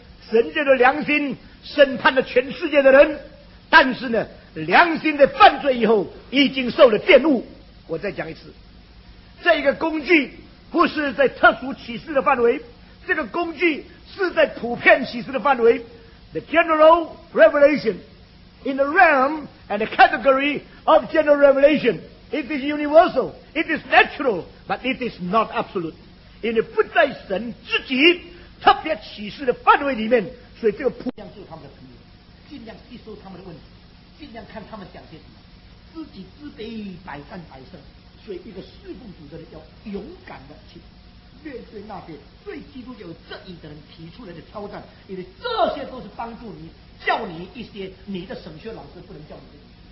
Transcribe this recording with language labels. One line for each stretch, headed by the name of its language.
Chinese: 神界的良心审判了全世界的人，但是呢，良心的犯罪以后已经受了玷污。我再讲一次，这个工具不是在特殊启示的范围，这个工具是在普遍启示的范围。
English: The general revelation in the realm and the category of general revelation, it is universal, it is natural, but it is not absolute.
Chinese: 因为不在神自己特别启示的范围里面，所以这个普遍就是他们的朋友，尽量吸收他们的问题，尽量看他们讲些什么，知己知彼，百战百胜。所以一个侍奉主的人要勇敢的去面对那些对基督教有正义的人提出来的挑战，因为这些都是帮助你教你一些你的神学老师不能教你的。